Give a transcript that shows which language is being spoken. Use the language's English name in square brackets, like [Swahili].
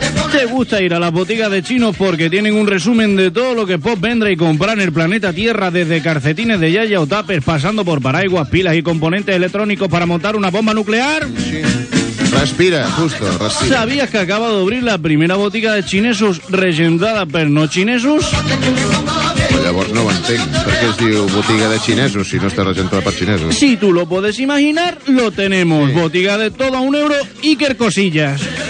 [Spanish] ¿Te gusta ir a las botigas de chinos porque tienen un resumen de todo lo que podés vendre y comprar en el planeta Tierra, desde calcetines de yaya o tapers, pasando por paraguas, pilas y componentes electrónicos para montar una bomba nuclear? Sí. Respira, Justo, respira. ¿Sabías que acaba de abrir la primera botiga de chinesos regentada [Catalan] per no chinesos? Llavors no ho entenc. Per què es diu botiga de xinesos si no està regentada per xinesos? [Spanish] Si tu lo puedes imaginar, lo tenemos. Sí. Botiga de todo a un euro, Iker Cosillas.